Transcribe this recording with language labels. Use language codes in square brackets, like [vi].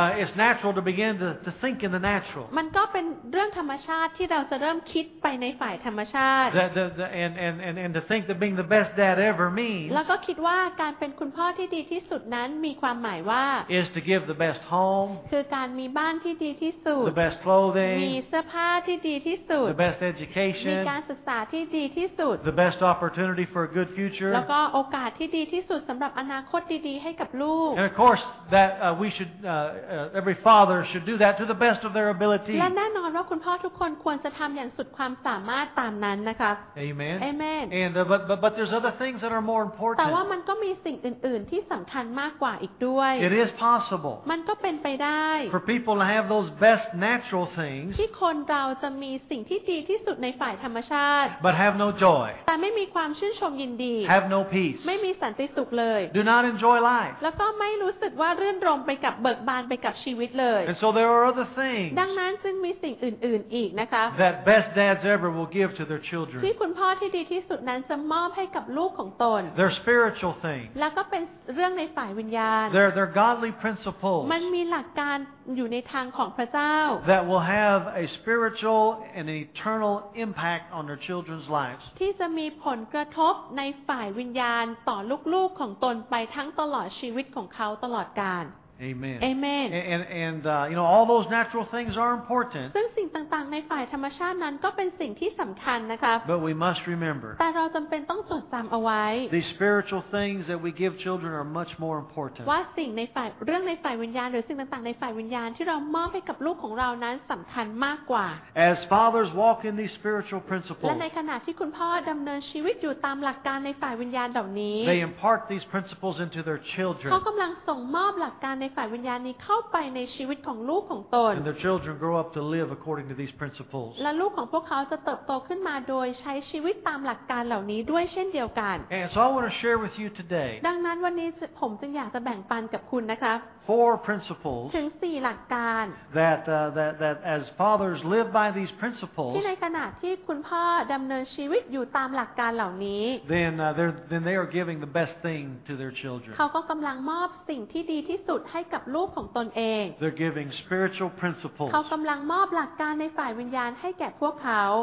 [en] It's natural to begin to think in the natural [th] มันก็เป็นเรื่องธรรมชาติที่เราจะเริ่มคิดไปในฝ่ายธรรมชาติ [en] and to think that being the best dad ever means [th] แล้วก็คิดว่าการเป็นคุณพ่อที่ดีที่สุดนั้นมีความหมายว่า [en] is to give the best home [th] คือการมีบ้านที่ดีที่สุด [en] the best clothing [th] มีเสื้อผ้าที่ดีที่สุด [en] the best education [th] มีการศึกษาที่ดีที่ [en] The best opportunity for a good future. [th] แล้วก็โอกาสที่ดีที่สุดสำหรับอนาคตดีๆให้กับลูก [en] And of course that we should every father should do that to the best of their ability. [th] และแน่นอนว่าคุณพ่อทุกคนควรจะทำอย่างสุดความสามารถตามนั้นนะคะ [en] Amen. Amen. And but there's other things that are more important. [th] แต่ว่ามันก็มีสิ่งอื่นๆที่สำคัญมากกว่าอีกด้วย [en] It is possible. [th] มันก็เป็นไปได้ [en] For people to have those best natural things. [th] ที่คนเราจะมีสิ่งที่ดีที่สุดในฝ่ายธรรมชาติ [en] But have no joy [th] แต่ไม่มีความชื่นชมยินดี [en] Have no peace [th] ไม่มีสันติสุขเลย [en] Do not enjoy life [th] แล้วก็ไม่รู้สึกว่ารื่นรมย์ไปกับเบิกบานไปกับชีวิตเลย [en] And so there are other things [th] ดังนั้นจึงมีสิ่งอื่นๆอีกนะคะ [en] That best dads ever will give to their children [th] ที่คุณพ่อที่ดีที่สุดนั้นจะมอบให้กับลูกของตน [en] They're spiritual things [th] แล้วก็เป็นเรื่องในฝ่ายวิญญาณ [en] They're godly principles [th] มันมีหลักการอยู่ในทางของพระเจ้า [en] That will have a spiritual and eternal impact on their children's lives [th] ที่จะมีผลกระทบในฝ่ายวิญญาณต่อลูกๆของตนไปทั้งตลอดชีวิตของเขาตลอดกาล [en] Amen. Amen. And you know all those natural things are important. [th] ซึ่งสิ่งต่างๆในฝ่ายธรรมชาตินั้นก็เป็นสิ่งที่สำคัญนะคะ [en] But we must remember. [th] แต่เราจำเป็นต้องจดจำเอาไว้ [en] The spiritual things that we give children are much more important. [th] ว่าสิ่งในฝ่ายเรื่องในฝ่ายวิญญาณหรือสิ่งต่างๆในฝ่ายวิญญาณที่เรามอบให้กับลูกของเรานั้นสำคัญมากกว่า [en] As fathers walk in these spiritual principles. [th] และในขณะที่คุณพ่อดำเนินชีวิตอยู่ตามหลักการในฝ่ายวิญญาณเหล่านี้ [en] They impart these principles into their children. [th] เขากำลังส่งมอบหลักการในฝ่ายวิญญาณนี้เข้าไปในชีวิตของลูกของตน [en] And their children grow up to live according to these principles [th] และลูกของพวกเขาจะเติบโตขึ้นมาโดยใช้ชีวิตตามหลักการเหล่านี้ด้วยเช่นเดียวกัน [en] And so I want to share with you today [th] ดังนั้นวันนี้ผมจึงอยากจะแบ่งปันกับคุณนะคะ [en] Four principles [th] ถึง4หลักการ [en] that as fathers live by these principles [th] ที่ในขณะที่คุณพ่อดำเนินชีวิตอยู่ตามหลักการเหล่านี้ [en] then they are giving the best thing to their children [th] เขาก็กำลังมอบสิ่งที่ดีที่สุดให้กับลูกของตนเอง [en] They're giving spiritual principles [th] เขากำลังมอบหลักการในฝ่ายวิญญาณให้แก่พวกเขา